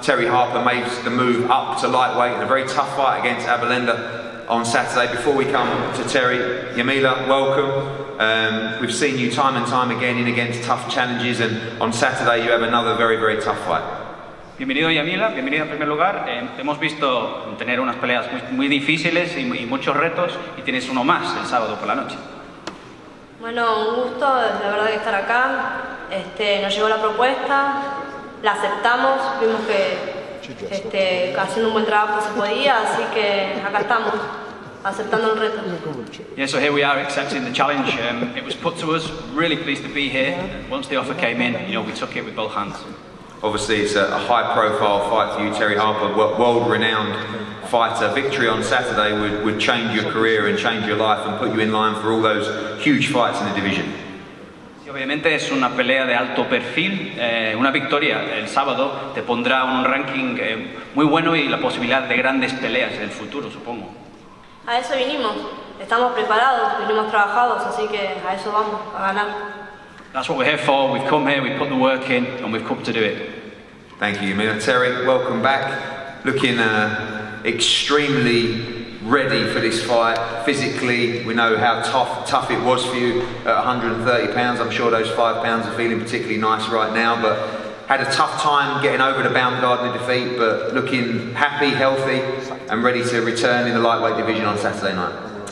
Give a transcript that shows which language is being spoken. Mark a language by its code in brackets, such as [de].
[en] Terry Harper made the move up to lightweight in a very tough fight against Abelenda on Saturday. Before we come to Terry, Yamila, welcome. We've seen you time and time again in against tough challenges, and on Saturday you have another very, very tough fight. [es] Bienvenido, Yamila. Bienvenido en primer lugar. Hemos visto tener unas peleas muy, muy difíciles y muchos retos, y tienes uno más el sábado por la noche. Bueno, un gusto, la verdad, que estar acá. Nos llegó la propuesta, la aceptamos, vimos que haciendo un buen trabajo se podía, así que acá estamos. aceptando el reto. [en] Yeah, so here we are accepting the challenge. It was put to us. Really pleased to be here. Once the offer came in, you know, we took it with both hands. Obviously, it's a high-profile fight for you, Terry Harper, world-renowned fighter. Victory on Saturday would change your career and change your life and put you in line for all those huge fights in the division. [es] Sí, obviamente es una pelea de alto perfil. Una victoria el sábado te pondrá un ranking muy bueno y la posibilidad de grandes peleas en el futuro, supongo. A eso vinimos. Estamos preparados, vinimos trabajados, así que a eso vamos, a ganar. [en] That's what we're here for. We've come here, we've put the work in, and we've come to do it. Thank you, Emil. Terry, welcome back. Looking extremely ready for this fight. Physically, we know how tough it was for you at 130 pounds. I'm sure those 5 pounds are feeling particularly nice right now, but had a tough time getting over the Baumgartner defeat, but looking happy, healthy, and ready to return in the lightweight division on Saturday night.